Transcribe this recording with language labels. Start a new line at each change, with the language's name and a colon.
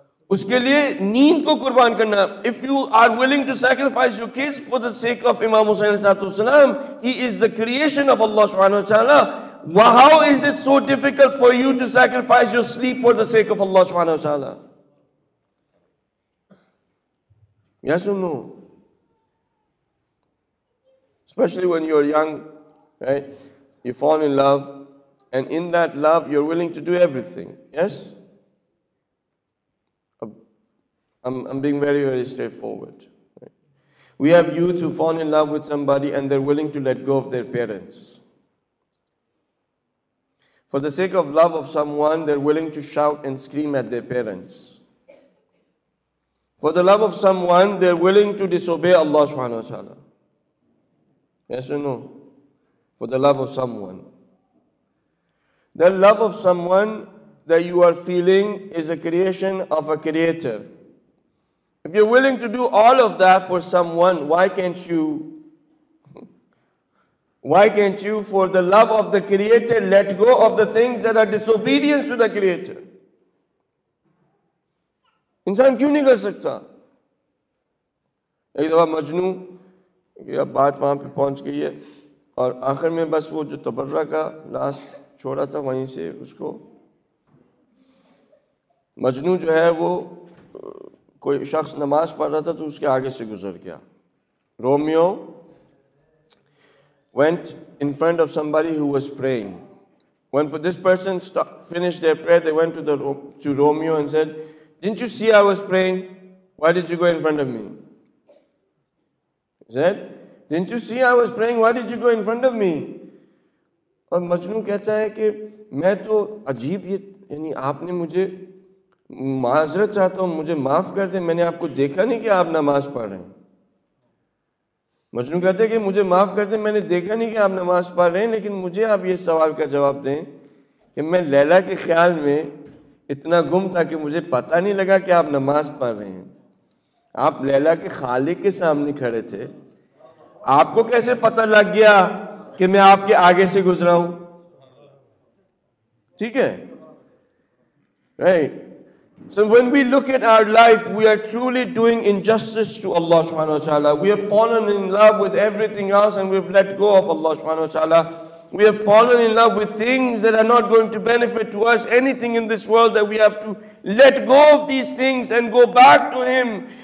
Urdu: اس کے لیے نیند کو قربان کرنا،
English: if you are willing to sacrifice your kids for the sake of Imam Hussain علیہ السلام، he is the creation of Allah سبحانہ وتعالی، how is it so difficult for you to sacrifice your sleep for the sake of Allah سبحانہ وتعالی؟ Yes or no? Especially when you are young, right? You fall in love, and in that love, you're willing to do everything. Yes? I'm being very, very straightforward. Right? We have youths who fall in love with somebody, and they're willing to let go of their parents. For the sake of love of someone, they're willing to shout and scream at their parents. For the love of someone, they're willing to disobey Allah subhanahu wa ta'ala. Yes or no? For the love of someone. The love of someone that you are feeling is a creation of a creator. If you're willing to do all of that for someone, why can't you, for the love of the creator, let go of the things that are disobedience to the creator?
Urdu: انسان کیوں نہیں کر سکتا؟ ایک دفعہ مجنو کہ اب بات وہاں پہ پہنچ گئی ہے اور آخر میں بس وہ جو تبرہ کا لاسٹ چھوڑا تھا وہیں سے اس کو مجنو جو ہے وہ کوئی شخص نماز پڑھ رہا تھا تو اس کے آگے سے گزر گیا.
English: Romeo went in front of somebody who was praying. When this person finish their prayer they went to Romeo and said Didn't you see I was praying? Why did you go in front of me? He said, didn't you see I was praying? Why did you go in front of me?
Urdu: اور مجنو کہتا ہے کہ میں تو عجیب یہ یعنی آپ نے مجھے معذرت چاہتا ہوں مجھے معاف کر دیں میں نے آپ کو دیکھا نہیں کہ آپ نماز پڑھ رہے ہیں. مجنو کہتا ہے کہ مجھے معاف کر دیں میں نے دیکھا نہیں کہ آپ نماز پڑھ رہے ہیں لیکن مجھے آپ یہ سوال کا جواب دیں کہ میں لیلا کے خیال میں اتنا گم تھا کہ مجھے پتہ نہیں لگا کہ آپ نماز پڑھ رہے ہیں. آپ لیلا کے خالق کے سامنے کھڑے تھے آپ کو کیسے پتہ لگ گیا کہ میں آپ کے آگے سے گزرا ہوں؟ ٹھیک ہے.
English: So when we look at our life we are truly doing injustice to Allah subhanahu wa ta'ala. We have fallen in love with everything else and we've let go of Allah subhanahu wa ta'ala. We have fallen in love with things that are not going to benefit to us anything in this world that we have to let go of these things and go back to Him.